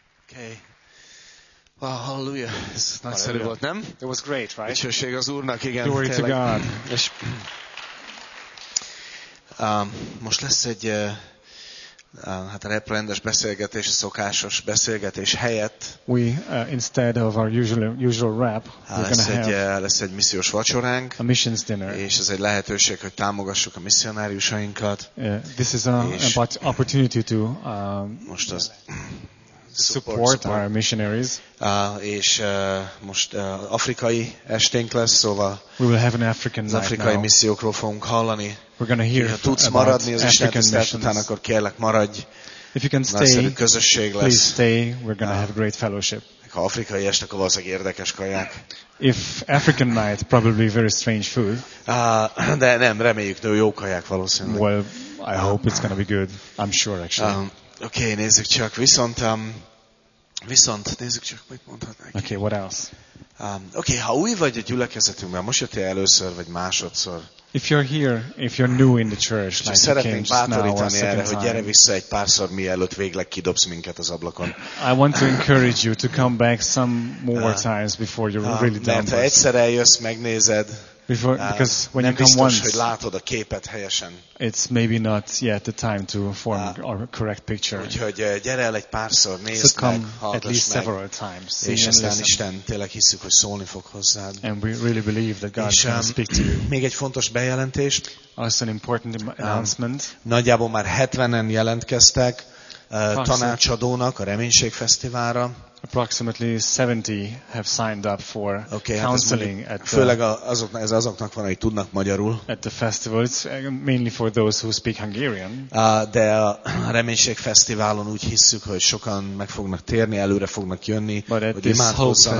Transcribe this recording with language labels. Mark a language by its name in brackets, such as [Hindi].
[Hungarian] Okay. Wow, hallelujah. Ez nagyszerű volt, nem? [English] It was great, right? [Hungarian] Dicsőség az Úrnak, igen. [English] Glory to God. [Hungarian] És most lesz egy hát a reprendes beszélgetés, a szokásos beszélgetés helyett. [English] We instead of our usual rap, we're gonna have [Hungarian] lesz egy missziós vacsoránk. [English] A missions dinner. [Hungarian] És ez egy lehetőség, hogy támogassuk a misszionáriusainkat. [English] This is a opportunity to [Hungarian] most az [English] support our missionaries. [Hungarian] És most afrikai esténk lesz, szóval [English] we will have an African night. [Hungarian] Az afrikai missziókról fogunk hallani. [English] We're going to hear [Hungarian] ha tudsz maradni az Isten tisztelet után, akkor kérlek, maradj. [English] If you can stay, [Hungarian] közösség [English] please [Hungarian] lesz. [English] Stay. We're going to have great fellowship. [Hungarian] Ha afrikai est, akkor valószínűleg érdekes kaják. [English] If African night, probably very strange food. [Hungarian] De nem, reméljük, de jó kaják valószínűleg. [English] Well, I hope it's going to be good. I'm sure, actually. [Hungarian] Okay, nézzük csak. Viszont nézzük csak, mit mondhatnék. [English] Okay, what else? [Hungarian] Okay, ha új vagy a gyülekezetünkben, most jöttél először vagy másodszor. [English] If you're here, if you're new in the church, like [Hungarian] szeretnénk bátorítani erre, hogy gyere vissza egy párszor, mielőtt végleg kidobsz minket az ablakon. [English] I want to encourage you to come back some more times before you're really done. [Hungarian] Mert ha egyszer eljössz, megnézed, [English] Before, because when you come [Hungarian] biztos, [English] once, [Hungarian] hogy látod a képet helyesen. [English] It's maybe not yet the time to form a correct picture. [Hungarian] Úgyhogy gyere el egy párszor, nézd [English] so come [Hungarian] meg, hallgass [English] at least [Hungarian] meg, [English] several times. [Hungarian] És aztán Isten tényleg hiszük, hogy szólni fog hozzád. [English] And we really believe that God can speak to you. [Hungarian] Még egy fontos bejelentés. [English] Also an important announcement. [Hungarian] Nagyjából már 70-en jelentkeztek tanácsadónak a Reménység Fesztiválra. [English] Approximately 70 have signed up for okay, counseling [Hungarian] hát mondjuk, főleg azoknak, ez azoknak van, akik tudnak magyarul. [English] At the festival, it's mainly for those who speak Hungarian. [Hungarian] De a Reménység Fesztiválon úgy hisszük, hogy sokan meg fognak térni, előre fognak jönni, hogy imádkozzanak.